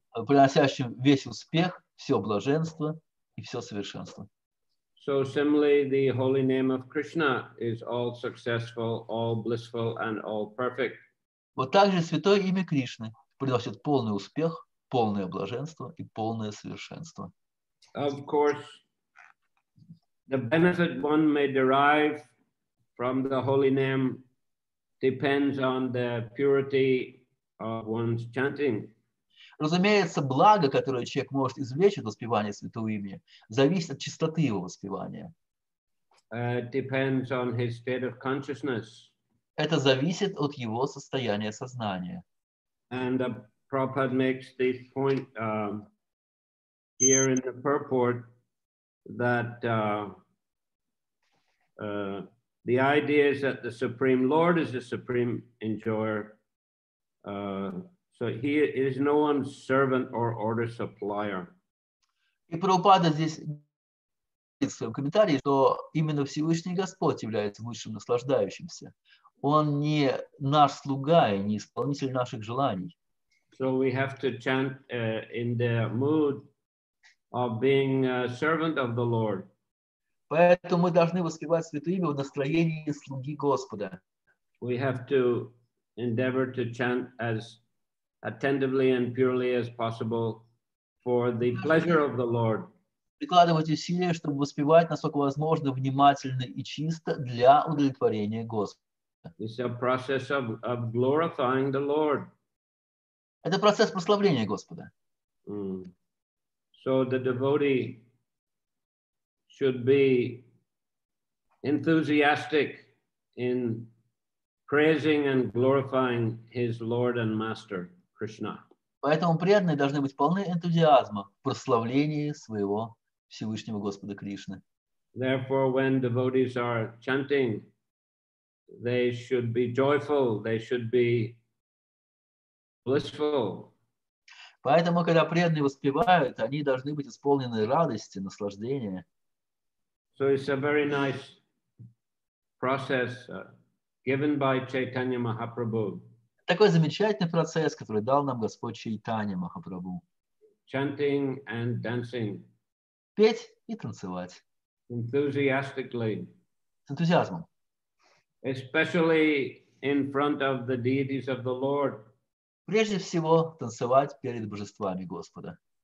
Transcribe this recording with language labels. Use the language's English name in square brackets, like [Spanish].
[Russian] Приносящим весь успех, все блаженство и все совершенство. [English] So similarly, the holy name of Krishna is all successful, all blissful, and all perfect. [Russian] Вот также святое имя Кришны приносит полный успех, полное блаженство и полное совершенство. [English] Of course, the benefit one may derive from the holy name depends on the purity of one's chanting. [Russian] Разумеется, благо, которое человек может извлечь от воспевания святого имени, зависит от чистоты его воспевания. [English] Depends on his state of consciousness. [Russian] Это зависит от его состояния сознания. [English] And Prabhupada makes this point here in the purport that the idea is that the Supreme Lord is the supreme enjoyer. So he is no one's servant or order supplier. [Russian] И Прабхупада здесь в своем комментарии, что именно Всевышний Господь является высшим наслаждающимся. Он не наш слуга и не исполнитель наших желаний. [English] So we have to chant in the mood of being a servant of the Lord. [Russian] Поэтому мы должны воспевать святое имя в настроении слуги Господа. [English] We have to endeavor to chant as attentively and purely as possible for the pleasure of the Lord. [Russian] Прикладывать усилия, чтобы воспевать насколько возможно внимательно и чисто для удовлетворения Господа. [English] It's a process of glorifying the Lord. [Russian] Это процесс прославления Господа. [English] So the devotee should be enthusiastic in praising and glorifying his Lord and Master. [Russian] Поэтому преданные должны быть полны энтузиазма в прославлении своего Всевышнего Господа Кришны. [English] Therefore, when devotees are chanting, they should be joyful, they should be blissful. [Russian] Поэтому, когда преданные воспевают, они должны быть исполнены радости, наслаждения. [English] So it's a very nice process given by Chaitanya Mahaprabhu. [Russian] Такой замечательный процесс, который дал нам Господь Чайтанья Махапрабху. [English] Chanting and dancing. [Russian] Петь и танцевать. [English] Enthusiastically. [Russian] С энтузиазмом. [English] Especially in front of the deities of the Lord. [Russian] Прежде всего, танцевать перед божествами Господа.